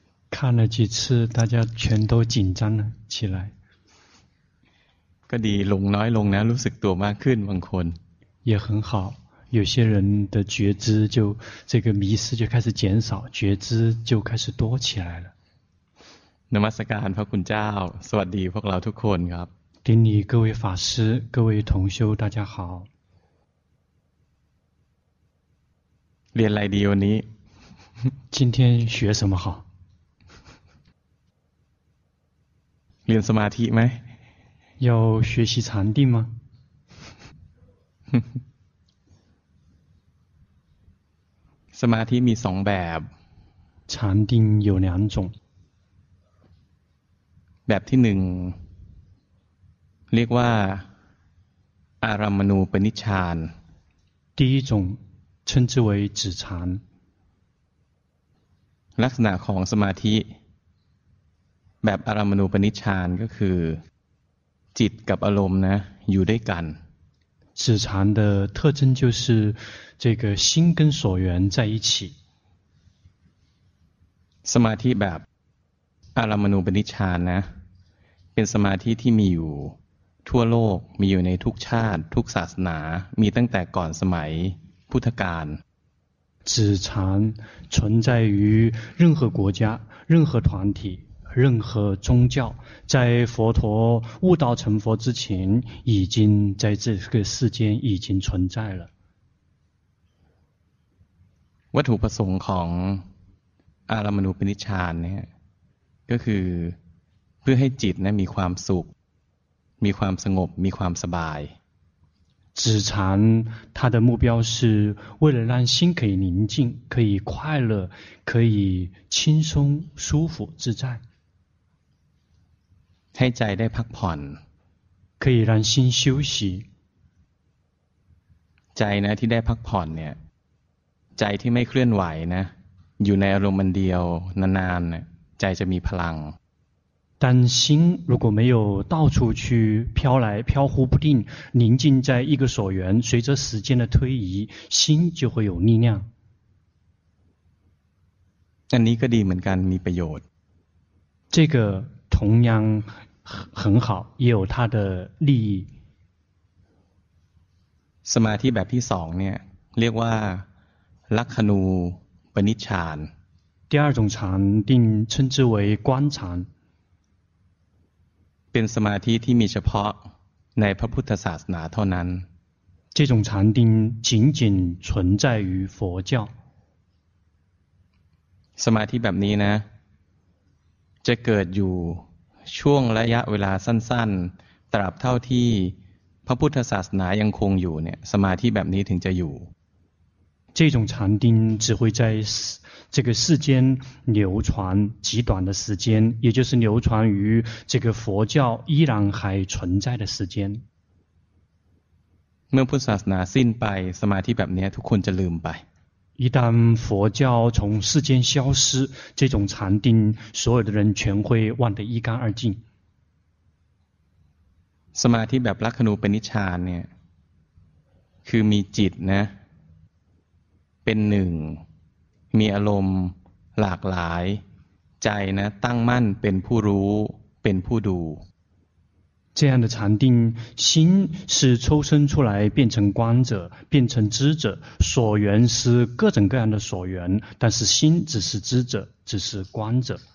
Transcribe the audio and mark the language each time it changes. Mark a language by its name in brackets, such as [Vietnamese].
[Chinese] 看了几次大家全都紧张了起来 [Thai] ก็ดีลงน้อยลงนะรู้สึกตัวมากขึ้นบางคน [Chinese] 也很好有些人的觉知就这个迷失就开始减少觉知就开始多起来了 [Thai] นมัสการพระคุณเจ้าสวัสดีพวกเราทุกคนครับ [Chinese] 顶礼各位法师各位同修大家好 [Thai] เรียนอะไรดีวันนี้ [Chinese] 今天学什么好 [Thai] เรียนสมาธิไหม [Chinese] 要学习禅定吗 [Thai] สมาธิมีสองแบบ [Chinese] 禅定有两种 [Thai] แบบที่หนึ่งเรียกว่าอารัมมณูปนิชฌาน [Chinese] 第一种称之为止禅 [Thai] ลักษณะของสมาธิแบบอารัมมณูปนิชฌานก็คือจิตกับอารมณ์นะอยู่ด้วยกัน [Chinese] 止禅的特征就是这个心跟所缘在一起 [Thai] สมาธิแบบอารัมมณูปนิชฌานนะเป็นสมาธิที่มีอยู่ทั่วโลกมีอยู่ในทุกชาติทุกศาสนามีตั้งแต่ก่อนสมัยพุทธกาล [Chinese] 止禅存在于任何国家任何团体任何宗教在佛陀悟道成佛之前已经在这个世间已经存在了 [Thai] วัตถุประสงค์ของอารัมมณูปนิชฌานเนี่ยก็คือเพื่อให้จิตนะมีความสุขมีความสงบมีความสบาย [Chinese] 止禅它的目标是为了让心可以宁静可以快乐可以轻松舒服自在 [Thai] ให้ใจได้พักผ่อน [Chinese] 可以让心休息 [Thai] ใจนะที่ได้พักผ่อนเนี่ยใจที่ไม่เคลื่อนไหวนะอยู่ในอารมณ์อันเดียวนานๆเนี่ยใจจะมีพลัง [Chinese] 但心如果没有到处去飘来飘忽不定宁静在一个所缘随着时间的推移心就会有力量 [Thai] อันนี้ก็ดีเหมือนกันมีประโยชน์ [Chinese] 这个同样很好也有它的利益 [Thai] สมาธิแบบที่สองเนี่ยเรียกว่าลัคนูปนิชฌาน [Chinese] 第二种禅定称之为观禅 [Thai] เป็นสมาธิที่มีเฉพาะในพระพุทธศาสนาเท่านั้น [Chinese] 这种禅定仅仅存在于佛教 [Thai] สมาธิแบบนี้นะจะเกิดอยู่ช่วงระยะเวลาสั้นๆตราบเท่าที่พระพุทธศาสนายังคงอยู่เนี่ยสมาธิแบบนี้ถึงจะอยู่ [Chinese] 这种禅定只会在这个世间流传极短的时间也就是流传于这个佛教依然还存在的时间 [Thai] เมื่อพุทธศาสนาสิ้นไปสมาธิแบบนี้ทุกคนจะลืมไป [Chinese] 一旦佛教从世间消失这种禅定所有的人全会忘得一干二净 [Thai] สมาธิแบบลัคนูปนิชฌานเนี่ยคือมีจิตนะเป็นหนึ่งมีอารมณ์หลากหลายใจนะตั้งมั่นเป็นผู้รู้เป็นผู้ดู [Chinese] 这样的禅定心是抽身出来变成观者变成知者所缘是各种各样的所缘但是心只是知者只是观者